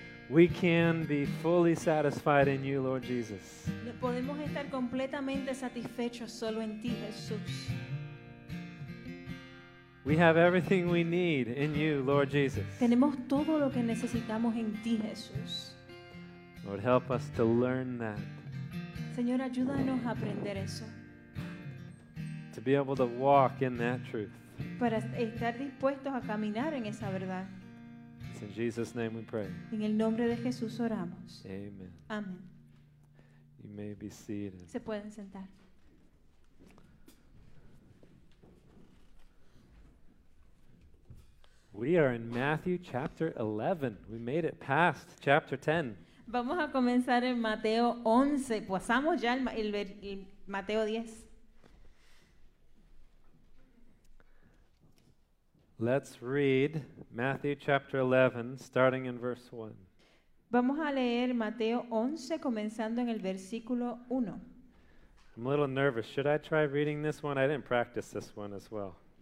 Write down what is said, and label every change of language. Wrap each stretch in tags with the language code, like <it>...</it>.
<en>We can be fully satisfied in you, Lord Jesus.</en> <es>Podemos estar completamente satisfechos solo en ti, Jesús.</es> <en>We have everything we need in you, Lord Jesus.</en> <es>Tenemos todo lo que necesitamos en ti, Jesús.</es> <en>Lord, help us to learn that.</en> <es>Señor, ayúdanos a aprender eso.</es> <en>To be able to walk in that truth.</en> <es>Para estar dispuestos a caminar en esa verdad.</es> <en>It's in Jesus' name we pray.</en> <es>En el nombre de Jesús oramos.</es> <en>Amen.</en> <es>Amen.</es> <en>You may be seated.</en> <es>Se pueden sentar.</es> <en>We are in Matthew chapter 11. We made it past chapter 10.</en> <es>Vamos a comenzar en Mateo 11. Pasamos ya el Mateo 10.</es> <en>Let's read Matthew chapter 11, starting in verse 1.</en> <es>Vamos a leer Mateo 11, comenzando en el versículo 1.</es> <en>I'm a little nervous. Should I try reading this one? I didn't practice this one as well.</en>